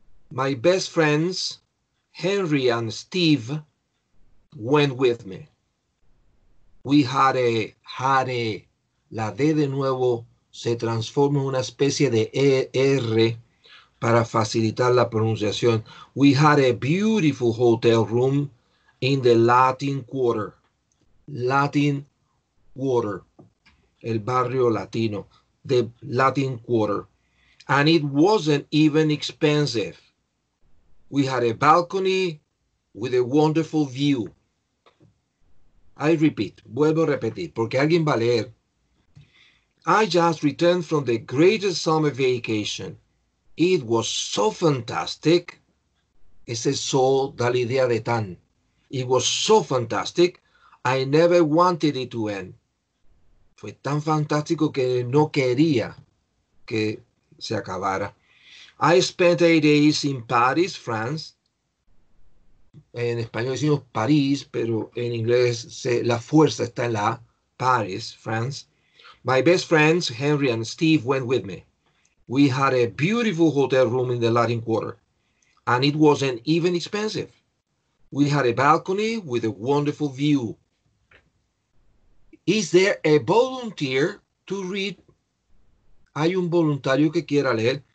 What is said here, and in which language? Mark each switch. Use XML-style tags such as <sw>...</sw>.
<en>My best friends, Henry and Steve, went with me. We had a,</en> <es>la D de nuevo se transforma en una especie de ER para facilitar la pronunciación.</es> <en>We had a beautiful hotel room in the Latin Quarter. Latin Quarter,</en> <es>el barrio latino,</es> <en>the Latin Quarter. And it wasn't even expensive. We had a balcony with a wonderful view. I repeat,</en> <es>vuelvo a repetir, porque alguien va a leer.</es> <en>I just returned from the greatest summer vacation. It was so fantastic.</en> <es>Ese so da la idea de tan.</es> <en>It was so fantastic. I never wanted it to end.</en> <es>Fue tan fantástico que no quería que se acabara.</es> <en>I spent 8 days in Paris, France.</en> <es>En español decimos París, pero en inglés la fuerza está en la A.</es> <en>Paris, France. My best friends, Henry and Steve, went with me. We had a beautiful hotel room in the Latin Quarter, and it wasn't even expensive. We had a balcony with a wonderful view. Is there a volunteer to read?</en> <es>¿Hay un voluntario que quiera leer?</es>